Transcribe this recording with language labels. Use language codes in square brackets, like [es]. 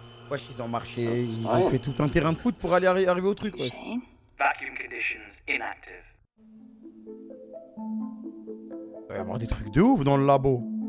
[fr] Ouais, ils ont marché, ils ont fait tout un terrain de foot pour aller arriver au truc, ouais. [en] Vacuum conditions inactive. [fr] Il va y avoir des trucs de ouf dans le labo.